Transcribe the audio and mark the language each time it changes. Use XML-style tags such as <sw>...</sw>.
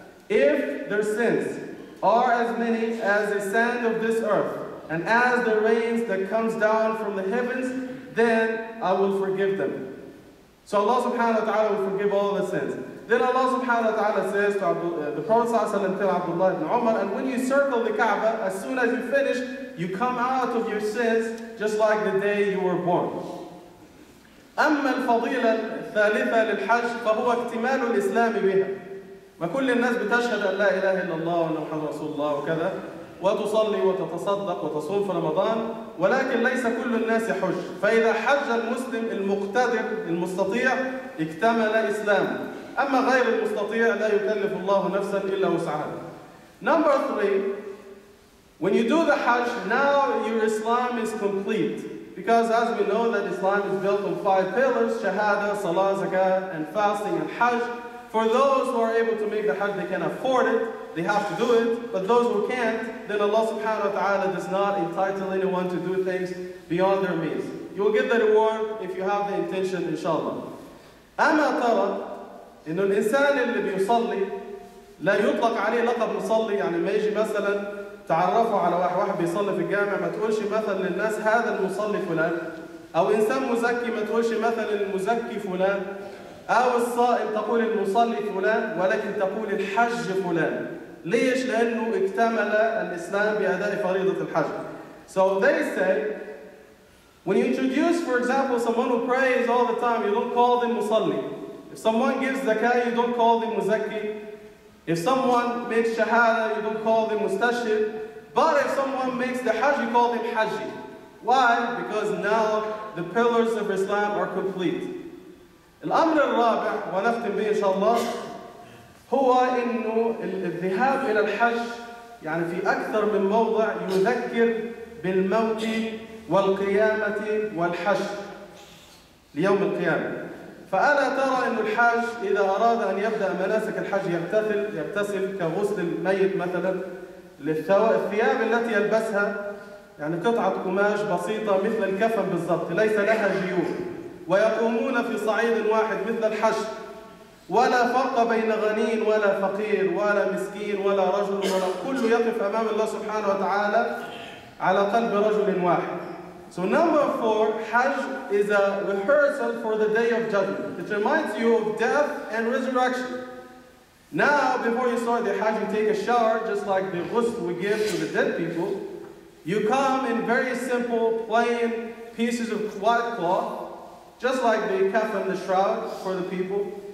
<en>If their sins are as many as the sand of this earth and as the rains that comes down from the heavens, then I will forgive them. So Allah subhanahu wa ta'ala will forgive all the sins. Then Allah subhanahu wa ta'ala says to the Prophet sallallahu alayhi wa sallam, tell Abdullah ibn Umar, and when you circle the Kaaba, as soon as you finish, you come out of your sins just like the day you were born.</en> <ar>أما الفضيلة الثالثة للحج فهو اكتمال الإسلام بها. ما كل الناس بتشهد أن لا إله إلا الله وأن محمد رسول الله وكذا وتصلي وتتصدق وتصوم في رمضان، ولكن ليس كل الناس حج. فإذا حج المسلم المقتدر المستطيع اكتمل إسلامه. أما غير المستطيع لا يكلف الله نفسا إلا وسعها.</ar> <en>Number three, when you do the Hajj, now your Islam is complete. Because as we know that Islam is built on five pillars, Shahada, Salah, Zakah, and fasting and Hajj. For those who are able to make the Hajj, they can afford it, they have to do it. But those who can't, then Allah subhanahu wa ta'ala does not entitle anyone to do things beyond their means. You will get the reward if you have the intention, inshallah.</en> <ar>أَمَا تَرَى إِنُّ الْإِنسَانِ اللي بيصلي لا يطلق عليه لقب مصلي، يعني ما يجي مثلا تعرفوا على واحد بيصلي في الجامع، ما تقولش مثلا للناس هذا المصلي فلان، او انسان مزكي ما تقولش مثلا المزكي فلان، او الصائم تقول المصلي فلان، ولكن تقول الحج فلان. ليش؟ لانه اكتمل الاسلام باداء فريضه الحج.</ar> <en>So they say, when you introduce, for example, someone who prays all the time, you don't call them مصلي. If someone gives zakah, you don't call them مزكي. If someone makes shahada, you don't call them mustashir. But if someone makes the hajj, you call them hajji. Why? Because now the pillars of Islam are complete.</en> <ar>الأمر الرابع ونختم به إن شاء الله هو إنه الذهاب إلى الحج يعني في أكثر من موضع يذكر بالموت والقيامة والحج ليوم القيامة. فألا ترى أن الحاج إذا أراد أن يبدأ مناسك الحج يبتسل كغسل الميت مثلا للثياب التي يلبسها، يعني قطعة قماش بسيطة مثل الكفن بالضبط ليس لها جيوب، ويقومون في صعيد واحد مثل الحج، ولا فرق بين غني ولا فقير ولا مسكين ولا رجل ولا كل يقف أمام الله سبحانه وتعالى على قلب رجل واحد.</ar> <en>So number four, Hajj is a rehearsal for the day of judgment. It reminds you of death and resurrection. Now, before you start the Hajj, you take a shower, just like the ghusl we give to the dead people. You come in very simple, plain pieces of white cloth, just like the kafan, the shroud for the people.</en>